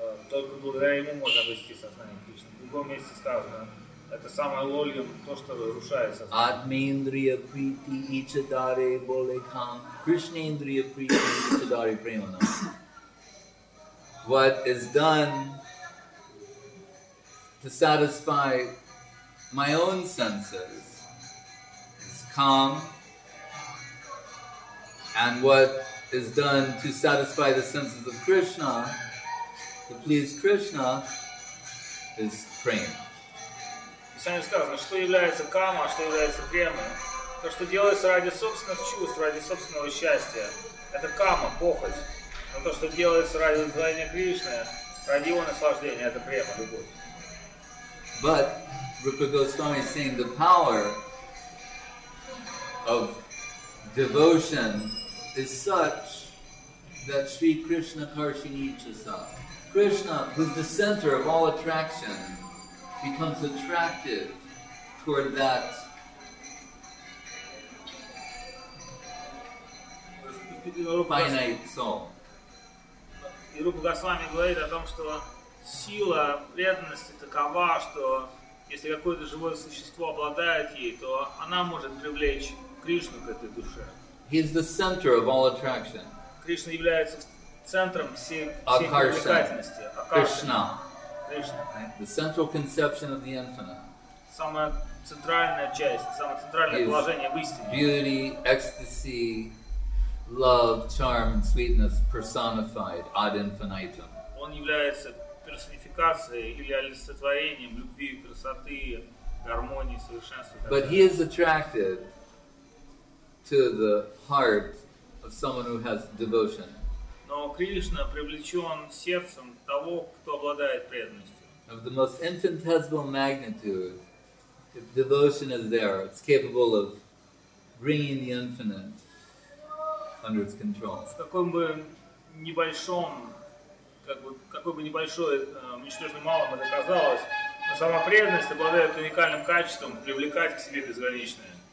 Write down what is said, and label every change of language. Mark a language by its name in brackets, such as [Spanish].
[Russian] Только благодаря ему можно обрести сознание Кришны. В другом месте сказано, это самое лолиум, то, что разрушает сознание. [Sanskrit] Атмендрия прити ичадаре болекам. Кришнендрия прити ичадаре преманам. [English] What is done to satisfy my own senses is calm. And what is done to satisfy the senses of Krishna, to please Krishna, is prema. [Russian] Писание сказано, что является кама, что является према. То, что делается ради собственных чувств, ради собственного счастья, это кама, похоть. Но то, что делается ради удовлетворения Кришны, ради его наслаждения, это према, любовь. [English] But Rupa Goswami is saying the power of devotion is such that [Sanskrit] Sri Krishna Karshini Chasa. [English] Krishna, who's the center of all attraction, becomes attracted toward that. [Russian] И Рупа Госвами говорит о том, что сила преданности такова, что если какое-то живое существо обладает ей, то она может привлечь Кришну к этой душе. He is the center of all attraction. Кришна является центром всей привлекательности. Кришна. Кришна. [English] The central conception of the infinite. [Russian] Самая центральная часть, самое центральное положение в истине. [English] Beauty, ecstasy, love, charm, and sweetness personified ad infinitum. [Russian] Он является персонификацией или олицетворением любви, красоты, гармонии, совершенства. [English] But he is attracted to the heart of someone who has devotion. [Russian] Но Кришна привлечен сердцем того, кто обладает преданностью. [English] Of the most infinitesimal magnitude, if devotion is there, it's capable of bringing the infinite under its control. [Russian] В каком бы небольшом, какой бы небольшой, ничтожным малым это казалось, но сама преданность обладает уникальным качеством привлекать к себе безграничное.